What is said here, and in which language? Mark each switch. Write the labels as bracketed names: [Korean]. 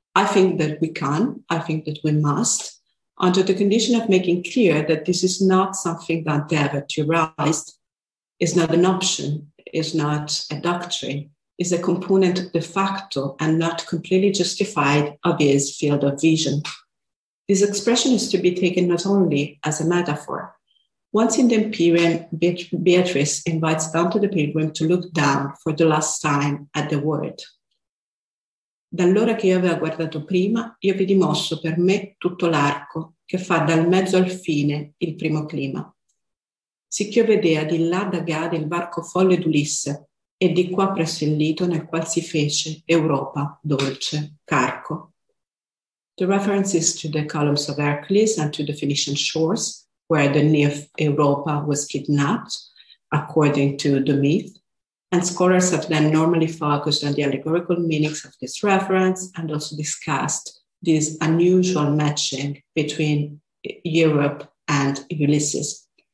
[English] I think that we can, I think that we must, under the condition of making clear that this is not something Dante ever theorized, is not an option, is not a doctrine, is a component de facto and not completely justified of his field of vision. This expression is to be taken not only as a metaphor. Once in the Empyrean, Beatrice invites Dante the Pilgrim to look down for the last time at the world. [Italian] Dall'ora che io aveva guardato prima, io vidi mosso per me tutto l'arco che fa dal mezzo al fine il primo clima. Sicch'io vedea di là da Gade il varco folle d'Ulisse e di qua presso il lito nel qual si fece Europa dolce, carco. [English] The reference is to the columns of Hercules and to the Phoenician shores, where the nymph Europa was kidnapped, according to the myth, and scholars have then normally focused on the allegorical meanings of this reference and also discussed this unusual matching between Europe and Ulysses.